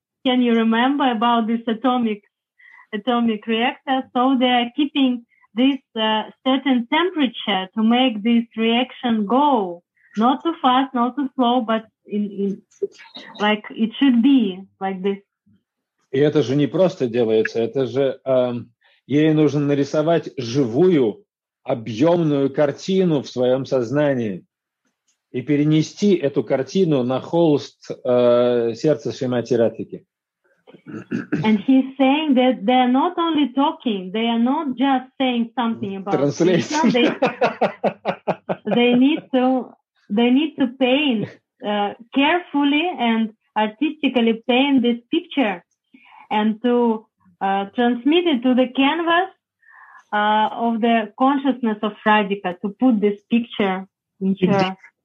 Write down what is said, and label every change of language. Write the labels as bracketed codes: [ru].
[en] Can you remember about this atomic reactor? So they're keeping this certain temperature to make this reaction go, not too fast, not too slow, but in like it should be like this. [ru] И это же не просто делается, это же ей нужно нарисовать живую объемную картину в своем сознании и перенести эту картину на холст сердца Шримати Радхики. [en] And he's saying that they are not only talking, they are not just saying something about translation. They need to paint carefully and artistically paint this picture and to transmit it to the canvas of the consciousness of Radhika, to put this picture in her.